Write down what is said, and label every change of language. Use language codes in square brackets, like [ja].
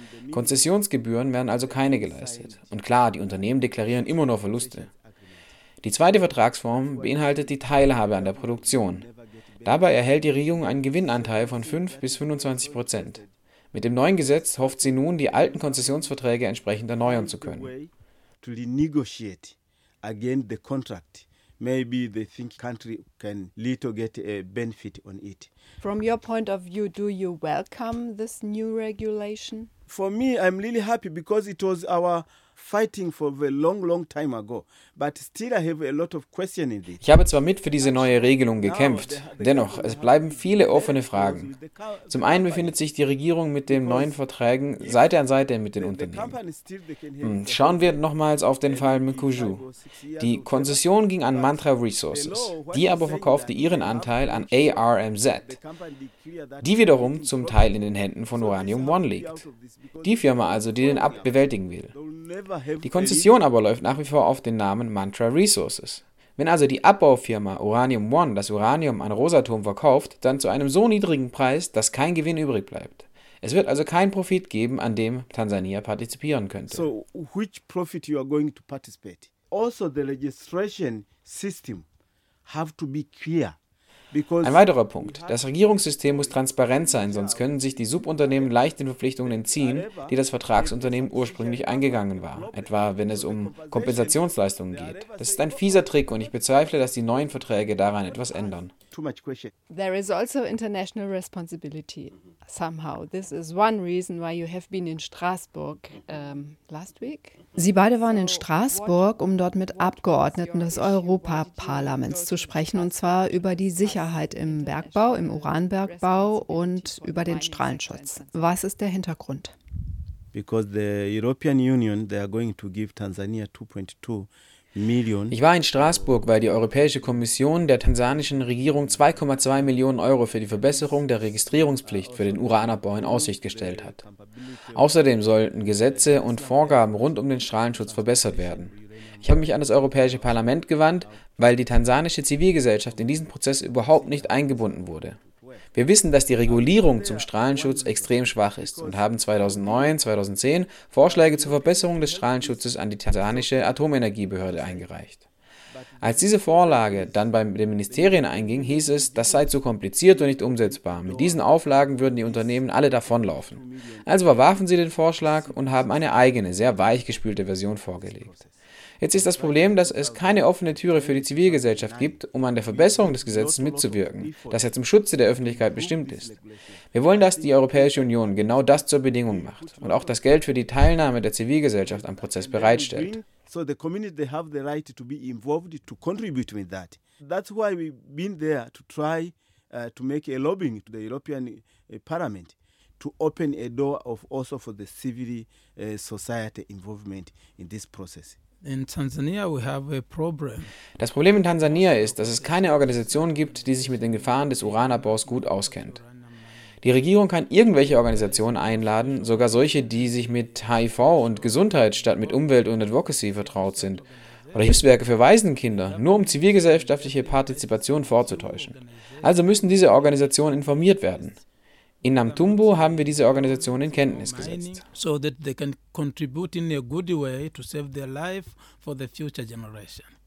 [de] Konzessionsgebühren werden also keine geleistet. Und klar, die Unternehmen deklarieren immer nur Verluste. Die zweite Vertragsform beinhaltet die Teilhabe an der Produktion. Dabei erhält die Regierung einen Gewinnanteil von 5-25%. Mit dem neuen Gesetz hofft sie nun, die alten Konzessionsverträge entsprechend erneuern zu können. [en] To renegotiate again the contract, maybe they think country can little get a benefit on it. From your point of view, do you welcome this new regulation? For me, I'm really happy because it was our fighting for a long, long time ago. But still, I have a lot of questions in this. [de] Ich habe zwar mit für diese neue Regelung gekämpft, dennoch es bleiben viele offene Fragen. Zum einen befindet sich die Regierung mit den neuen Verträgen Seite an Seite mit den Unternehmen. Schauen wir nochmals auf den Fall Mukuju. Die Konzession ging an Mantra Resources, die aber verkaufte ihren Anteil an ARMZ, die wiederum zum Teil in den Händen von Uranium One liegt. Die Firma also, die den Abbau bewältigen will. Die Konzession aber läuft nach wie vor auf den Namen Mantra Resources. Wenn also die Abbaufirma Uranium One das Uranium an Rosatom verkauft, dann zu einem so niedrigen Preis, dass kein Gewinn übrig bleibt. Es wird also keinen Profit geben, an dem Tansania partizipieren könnte. [en] So, which profit you are going to participate? Also the registration system have to be clear. [de] Ein weiterer Punkt. Das Regierungssystem muss transparent sein, sonst können sich die Subunternehmen leicht den Verpflichtungen entziehen, die das Vertragsunternehmen ursprünglich eingegangen war, etwa wenn es um Kompensationsleistungen geht. Das ist ein fieser Trick und ich bezweifle, dass die neuen Verträge daran etwas ändern. [en] There is also international responsibility somehow. This is one reason why you have been in Straßburg last week. [de] Sie beide waren in Straßburg, um dort mit Abgeordneten des Europaparlaments zu sprechen, und zwar über die Sicherheit im Bergbau, im Uranbergbau und über den Strahlenschutz. Was ist der Hintergrund? [en] Because the European Union, they are going to give Tanzania 2.2. [de] Ich war in Straßburg, weil die Europäische Kommission der tansanischen Regierung 2,2 Millionen Euro für die Verbesserung der Registrierungspflicht für den Uranabbau in Aussicht gestellt hat. Außerdem sollten Gesetze und Vorgaben rund um den Strahlenschutz verbessert werden. Ich habe mich an das Europäische Parlament gewandt, weil die tansanische Zivilgesellschaft in diesen Prozess überhaupt nicht eingebunden wurde. Wir wissen, dass die Regulierung zum Strahlenschutz extrem schwach ist und haben 2009, 2010 Vorschläge zur Verbesserung des Strahlenschutzes an die tansanische Atomenergiebehörde eingereicht. Als diese Vorlage dann bei den Ministerien einging, hieß es, das sei zu kompliziert und nicht umsetzbar. Mit diesen Auflagen würden die Unternehmen alle davonlaufen. Also verwarfen sie den Vorschlag und haben eine eigene, sehr weichgespülte Version vorgelegt. Jetzt ist das Problem, dass es keine offene Türe für die Zivilgesellschaft gibt, um an der Verbesserung des Gesetzes mitzuwirken, das ja zum Schutze der Öffentlichkeit bestimmt ist. Wir wollen, dass die Europäische Union genau das zur Bedingung macht und auch das Geld für die Teilnahme der Zivilgesellschaft am Prozess bereitstellt. [en] So the community, they have the right to be involved, to contribute with that. That's why we've been there to try to make a lobbying to the European Parliament to open a door of also for the civil society involvement in this process. In Tanzania we have a problem. [de] Das Problem in Tansania ist, dass es keine Organisation gibt, die sich mit den Gefahren des Uranabbaus gut auskennt. Die Regierung kann irgendwelche Organisationen einladen, sogar solche, die sich mit HIV und Gesundheit statt mit Umwelt und Advocacy vertraut sind, oder Hilfswerke für Waisenkinder, nur um zivilgesellschaftliche Partizipation vorzutäuschen. Also müssen diese Organisationen informiert werden. In Namtumbo haben wir diese Organisation in Kenntnis gesetzt. [en] So that they can contribute in a good way to save their life for the future generation.